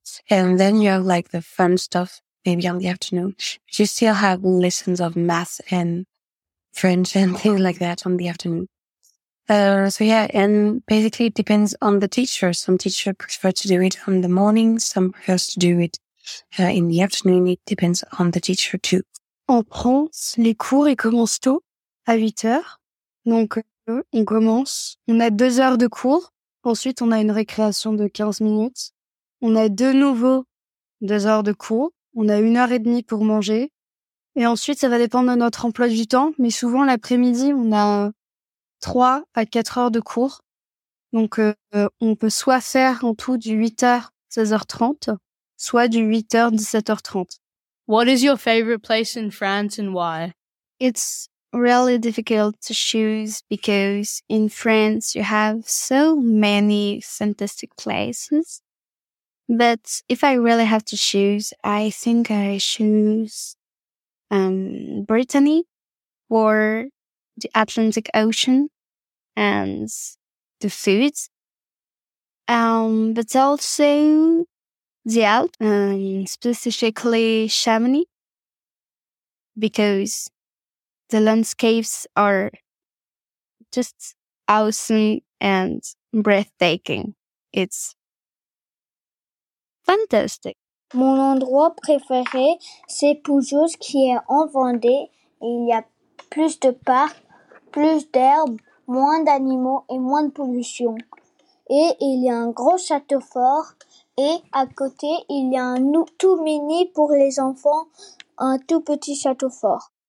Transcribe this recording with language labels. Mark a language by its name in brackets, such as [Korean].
[English] And then you have like the fun stuff maybe on the afternoon. You still have lessons of math and French and things like that on the afternoon. So yeah, and basically it depends on the teacher. Some teacher prefer to do it in the morning. Some prefer to do it in the afternoon. It depends on the teacher too. [French] En France, les cours, ils commencent tôt, à 8 heures. Donc, on commence. On a 2 heures de cours. Ensuite, on a une récréation de 15 minutes. On a de nouveau 2 heures de cours. On a 1 heure et demie pour manger. Et ensuite, ça va dépendre de notre emploi du temps. Mais souvent, l'après-midi, on a 3 à 4 heures de cours. Donc, on peut soit faire en tout du 8h à 16h30, soit du 8h à 17h30. [English] What is your favorite place in France and why? It's really difficult to choose because in France you have so many fantastic places. But if I really have to choose, I think I choose Brittany or the Atlantic Ocean and the food. But also the Alps, specifically Chamonix, because the landscapes are just awesome and breathtaking. It's fantastic. [French] Mon endroit préféré, c'est Pujols, qui est en Vendée. Il y a plus de parcs, plus d'herbes, moins d'animaux et moins de pollution. Et il y a un gros château fort. Et à côté, il y a un tout mini pour les enfants, un tout petit château fort.